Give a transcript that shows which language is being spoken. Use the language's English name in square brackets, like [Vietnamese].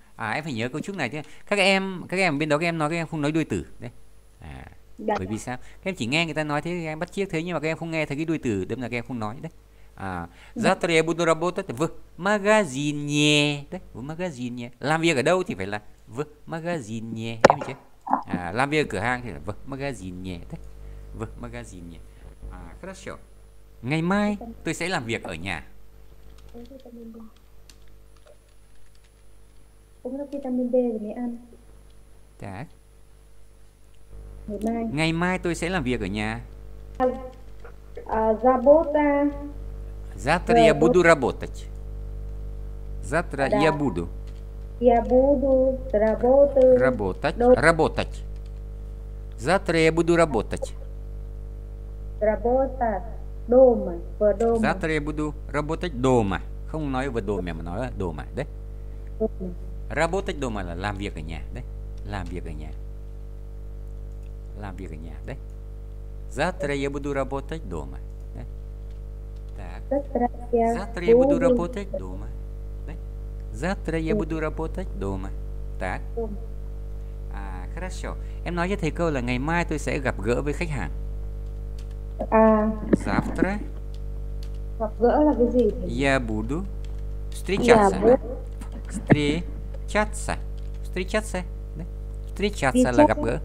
[Vietnamese] À, em phải nhớ câu trước này chứ. Các em bên đó các em nói các em không nói đuôi từ. Đấy. À, bởi vì sao? Các em chỉ nghe người ta nói thế, các em bắt chước thế, nhưng mà các em không nghe thấy cái đuôi từ, đâm là các em không nói đấy. [Russian] À, завтра я буду работать в магазине. Đấy, в магазине. [Vietnamese] Làm việc ở đâu thì phải là [Russian] в магазине. [Vietnamese] Em chứ. À, làm việc ở cửa hàng thì là в магазине. [Russian] Đấy. В магазине. À, хорошо. [Vietnamese] Ngày mai tôi sẽ làm việc ở nhà. Uống cái vitamin D rồi mới ăn. Đã. Ngày mai. Ngày mai tôi sẽ làm việc ở nhà. [Russian] Забота. Завтра я буду работать. Завтра я буду. Я буду работать. Работать. Завтра я буду работать. Работать. Дома, в доме. Завтра я буду работать дома. [Vietnamese] Không nói [Russian] в доме, [Vietnamese] mà nói дома, đấy. [Russian] Работать дома [Vietnamese] là làm việc ở nhà, đấy. Làm việc ở nhà. Làm việc ở nhà, đấy. [Russian] Завтра я буду работать дома, đấy. Так. Завтра я буду работать дома, đấy. Завтра я буду работать дома, так. À, хорошо. [Vietnamese] Em nói với thầy câu là ngày mai tôi sẽ gặp gỡ với khách hàng. [Russian] Завтра [Vietnamese] gặp gỡ là cái gì? [Russian] Я буду встречаться. Встречаться. Встречаться. [Vietnamese] Встречаться là gặp gỡ.